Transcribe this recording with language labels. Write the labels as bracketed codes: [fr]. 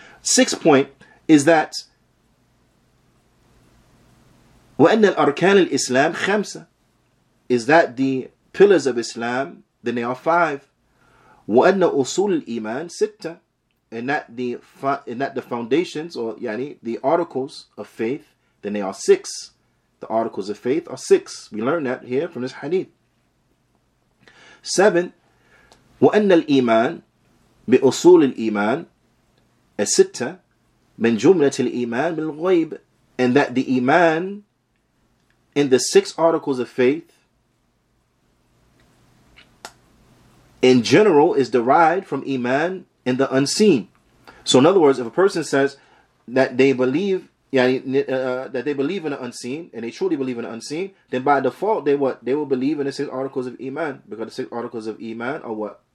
[en] Sixth point is that [ar] wa anna al-arkan al-islam khamsa, [en] is that the pillars of Islam, then they are five. [ar] Wa anna usul al-iman sitta, [en] and that the foundations, or the articles of faith, then they are six. The articles of faith are six. We learn that here from this hadith. [ar] Seven, وأن الإيمان بأصول الإيمان الستة من جملة الإيمان بالغيب, [en] and that the iman in the six articles of faith, in general, is derived from Iman in the unseen. So in other words, if a person says that they believe in the unseen, and they truly believe in the unseen, then by default, they will believe in the six articles of Iman, because the six articles of Iman are what?